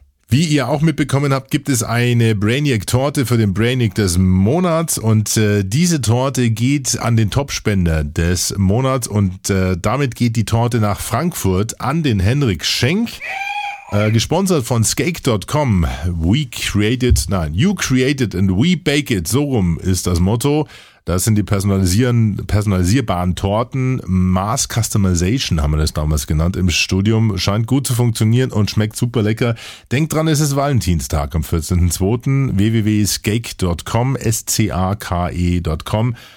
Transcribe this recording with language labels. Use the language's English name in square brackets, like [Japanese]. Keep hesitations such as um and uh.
[German] Wie ihr auch mitbekommen habt, gibt es eine Brainiac-Torte für den Brainiac des Monats und äh, diese Torte geht an den Topspender des Monats und äh, damit geht die Torte nach Frankfurt an den Henrik Schenk. Äh, gesponsert von Skake.com. [English] We created, nein, you created and we bake it. [German] So rum ist das Motto. Das sind die personalisieren, personalisierbaren Torten. Mass Customization haben wir das damals genannt im Studium. Scheint gut zu funktionieren und schmeckt super lecker. Denkt dran, es ist Valentinstag am 14.02. www.skake.com, S-C-A-K-E.com.